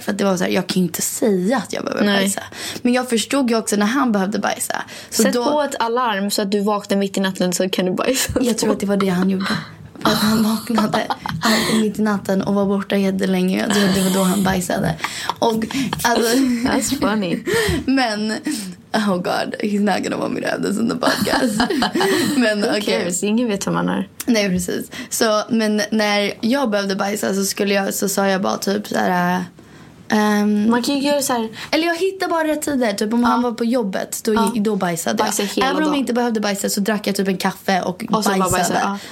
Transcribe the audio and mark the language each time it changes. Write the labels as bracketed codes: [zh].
[sv] För att det var så här, jag kan ju inte säga att jag behöver bajsa. Men jag förstod ju också när han behövde bajsa. Så sätt då, på ett alarm så att du vaknar mitt i natten så kan du bajsa. Jag tror att det var det han gjorde. Att han vaknade mitt i natten och var borta jättelänge. Jag trodde det var då han bajsade. Och, alltså, [en] that's funny. [sv] Men [en] oh god, he's not gonna want me to have this in the podcast. [sv] Men, [en] who okay. cares? [sv] Ingen vet hur man är. Nej, precis. Så, men när jag behövde bajsa så skulle jag, så sa jag bara typ så här. Man kan ju göra så här. Eller jag hittade bara rätt tider. Typ om han var på jobbet, då, då bajsade jag. Även om jag inte behövde bajsa så drack jag typ en kaffe och bajsade.